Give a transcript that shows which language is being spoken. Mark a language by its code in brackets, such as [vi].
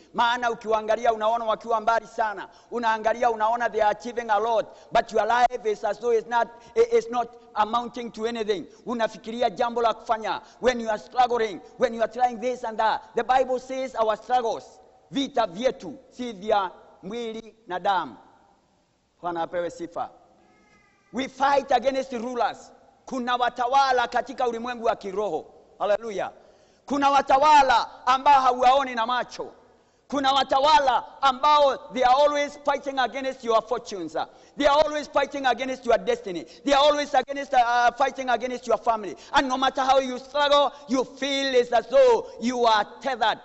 [sw] Maana ukiwaangalia unaona wakiwa mbali sana. Unaangalia unaona [en] they are achieving a lot, but your life is as though it's not amounting to anything. [sw] Unafikiria jambo la kufanya. [en] When you are struggling, when you are trying this and that, the Bible says our struggles, [sw] vita vyetu, si vya mwili na damu. Bwana apewe sifa. [en] We fight against the rulers. [sw] Kuna watawala katika ulimwengu wa kiroho. Hallelujah. Kuna watawala ambao hauwaoni na macho. Kuna watawala ambao [en] they are always fighting against your fortunes. They are always fighting against your destiny. They are always fighting against your family. And no matter how you struggle, you feel as though you are tethered.